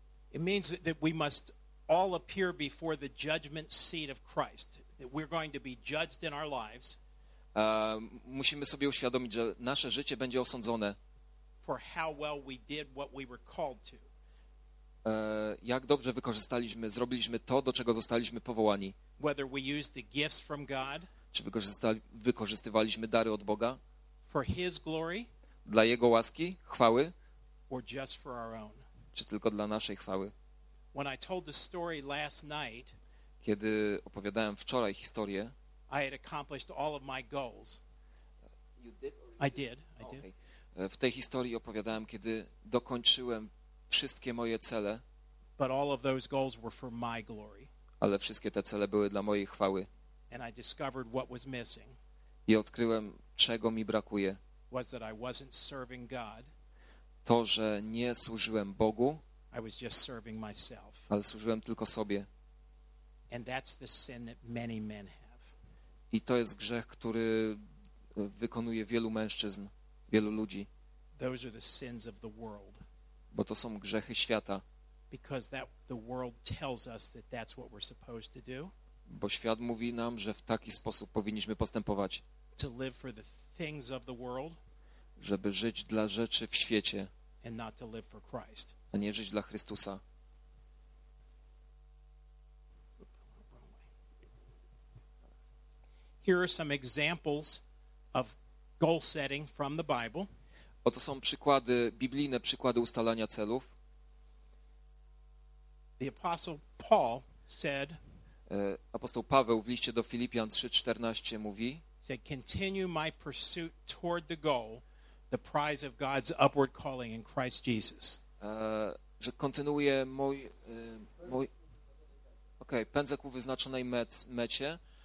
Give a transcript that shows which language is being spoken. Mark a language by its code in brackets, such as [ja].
[en] It means that we must all appear before the judgment seat of Christ, that we're going to be judged in our lives. [pl] Musimy sobie uświadomić, że nasze życie będzie osądzone. [en] For how well we did what we were called to. [pl] Jak dobrze wykorzystaliśmy, zrobiliśmy to, do czego zostaliśmy powołani. [en] Whether we used the gifts from God. [pl] Czy wykorzystywaliśmy dary od Boga? [en] For his glory. [pl] Dla jego łaski, chwały. [en] Or just for our own. [pl] Czy tylko dla naszej chwały? [en] When I told the story last night. [pl] Kiedy opowiadałem wczoraj historię. [en] I had accomplished all of my goals. You did? I did. Okay. [pl] W tej historii opowiadałem, kiedy dokończyłem wszystkie moje cele. [en] But all of those goals were for my glory. [pl] Ale wszystkie te cele były dla mojej chwały. [en] And I discovered what was missing. [pl] I odkryłem, czego mi brakuje. [en] Was that I wasn't serving God. [pl] To, że nie służyłem Bogu. [en] I was just serving myself. [pl] Ale służyłem tylko sobie. [en] And that's the sin that many men have. [pl] I to jest grzech, który wykonuje wielu mężczyzn, wielu ludzi. [en] Those are the sins of the world. [pl] Bo to są grzechy świata. [en] Because that the world tells us that that's what we're supposed to do. [pl] Bo świat mówi nam, że w taki sposób powinniśmy postępować. [en] To live for the things of the world. [pl] Żeby żyć dla rzeczy w świecie. [en] And not to live for Christ. [pl] A nie żyć dla Chrystusa. [en] Here are some examples of goal setting from the Bible. [pl] Oto są przykłady biblijne, przykłady ustalania celów. [en] The apostle Paul said. [pl] Apostoł Paweł w liście do Filipian 3:14 mówi. [en] Said, continue my pursuit toward the goal, the prize of God's upward calling in Christ Jesus. [pl] Że kontynuuję mój okej, okay, pędzę ku wyznaczonej mecie.